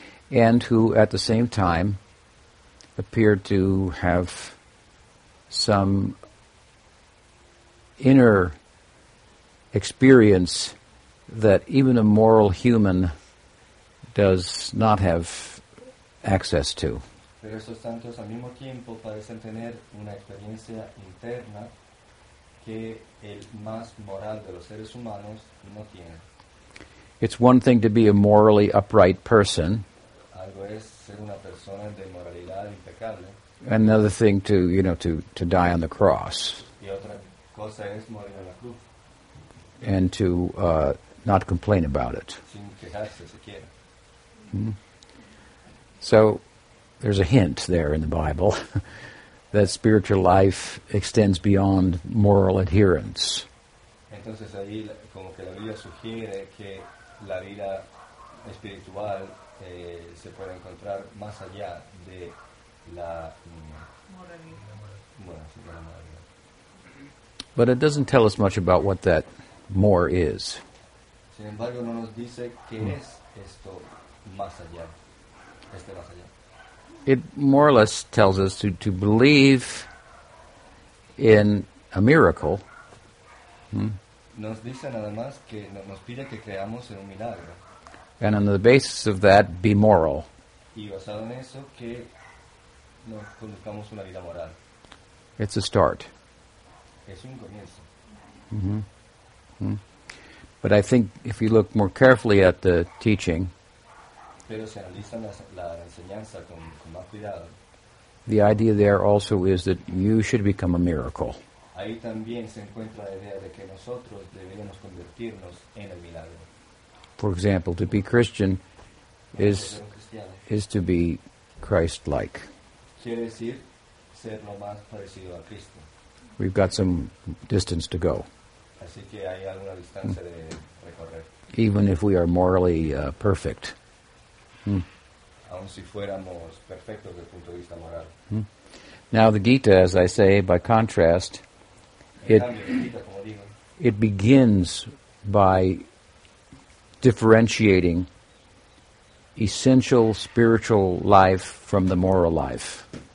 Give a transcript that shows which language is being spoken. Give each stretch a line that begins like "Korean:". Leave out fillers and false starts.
English: And who at the same time appear to have some inner experience that even a moral human does not have access to.
Spanish: Pero esos santos al mismo tiempo parecen tener una experiencia interna que el más moral de los seres humanos no tiene.
English: It's one thing to be a morally upright person.
Spanish: Algo es ser una persona de moralidad impecable.
English: Another thing to, you know, to die on the cross.
Spanish: Y otra cosa es morir en la cruz.
English: And to not complain about it.
Spanish: Sin quejarse siquiera. Mm-hmm.
English: So there's a hint there in the Bible that spiritual life extends beyond moral adherence.
Spanish: Entonces ahí como que la Biblia sugiere que la vida espiritual se puede encontrar más allá de la moralidad.
English: But it doesn't tell us much about what that more is.
Spanish: Sin embargo, no nos dice qué es esto más allá.
English: It more or less tells us to believe in a miracle.
Spanish: Nos dice nada más que nos pide que creamos en un milagro.
English: And on the basis of that, be moral.
Spanish: Y basado en eso, que nos conduzcamos una vida moral.
English: It's a start.
Spanish: Es un comienzo.
English: But I think if you look more carefully at the teaching,
Spanish: pero se analizan la enseñanza con más cuidado.
English: The idea there also is that you should become a miracle.
Spanish: Ahí también se encuentra la idea de que nosotros deberíamos convertirnos en el milagro.
English: For example, to be Christian is to be Christ-like.
Spanish: Quiere decir ser lo más parecido a Cristo.
English: We've got some distance to go.
Spanish: Así que hay alguna distancia de recorrer.
English: Even if we are morally perfect.
Spanish: Aun si fuéramos perfectos desde el punto de vista moral.
English: Now the Gita, as I say, by contrast, it begins by differentiating essential spiritual life from the moral life.